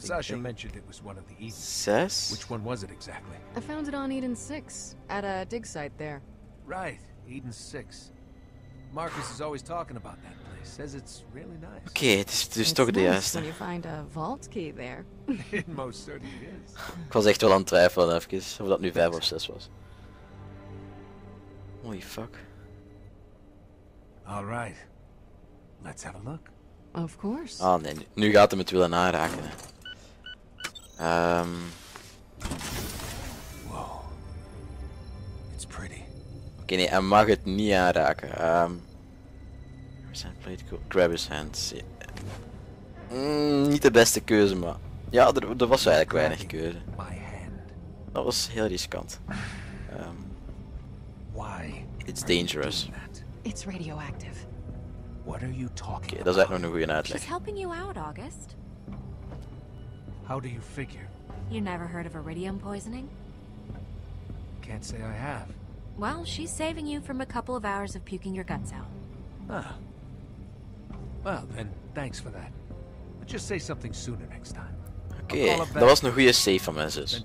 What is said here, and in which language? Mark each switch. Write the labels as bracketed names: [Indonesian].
[English] Sasha mentioned it was one of the Eden 6. Which one was it exactly? I found it on Eden 6, at a dig site there. Right, Eden 6. Marcus is always talking about that place, says it's really nice. Okay, it's toch nice [Dutch] de juiste. [English] You find a vault key there. It most certainly is. [Dutch] Ik was echt wel aan het twijfelen even, of dat nu 5 of 6 was. [English] Holy fuck. All right. Let's have a look. Of course. [Dutch] Oh nee, nu gaat hem het willen aanraken. [English] Whoa. It's pretty. [Dutch] Oké, nee, hij mag het niet aanraken. Zijn plate cool. [English] Grab his hands. [Dutch] Yeah. Niet de beste keuze, maar. Ja, er was eigenlijk weinig keuze. Dat was heel riskant. [English] Why? It's dangerous. It's radioactive. What are you talking about? [Dutch] Okay, dat is echt nog een goede uitleg. [English] She's helping you out, August. How do you figure? You never heard of iridium poisoning? Can't say I have. Well, she's saving you from a couple of hours of puking your guts out. Ah. Well, then, thanks for that. But just say something sooner next time. [Dutch] Okay, dat was een goede save van mijn zus.